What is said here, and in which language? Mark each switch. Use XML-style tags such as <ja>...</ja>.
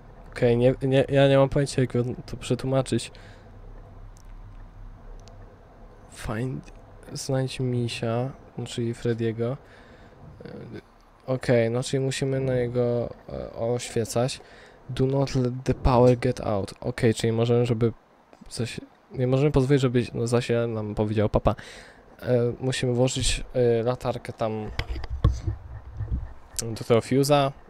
<pl>Okej, okay, nie, ja nie mam pojęcia, jak to przetłumaczyć. Znajdź misia. Czyli Freddy'ego. Okej, okay, no czyli musimy na jego oświecać.</pl> <en>Do not let the power get out.</en> <pl>Okej, okay, czyli możemy, żeby coś. Nie możemy pozwolić, żeby no, Zasia nam powiedział papa. Musimy włożyć latarkę tam do tego fuse'a.</pl>